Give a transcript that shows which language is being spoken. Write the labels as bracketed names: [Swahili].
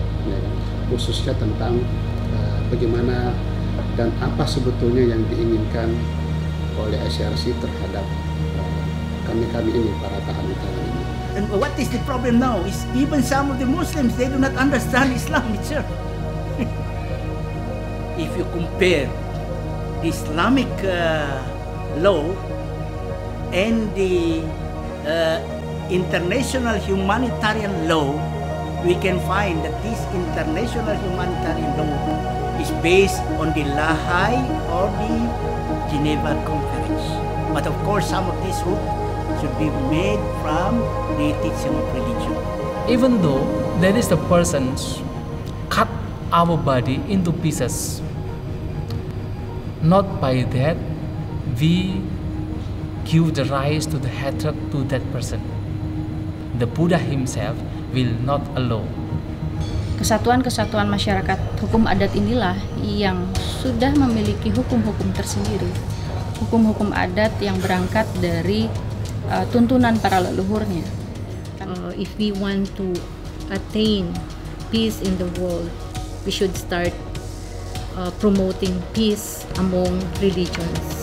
[Indonesian] Ya, khususnya tentang bagaimana dan apa sebetulnya yang diinginkan oleh ICRC terhadap kami-kami ini, para tahanan tahanan ini. [English] And what is the problem now is even some of the Muslims, they do not understand Islam itself. If you compare Islamic law and the international humanitarian law, we can find that this international humanitarian law is based on the Lahai or the Geneva Conference. But of course, some of this hope should be made from the teaching of religion. Even though there is the persons cut our body into pieces, not by that we give the rise to the hatred to that person. The Buddha himself will not allow. [Indonesian] Kesatuan-kesatuan masyarakat hukum adat inilah yang sudah memiliki hukum-hukum tersendiri. Hukum-hukum adat yang berangkat dari tuntunan para leluhurnya. [English] If we want to attain peace in the world, we should start promoting peace among religions.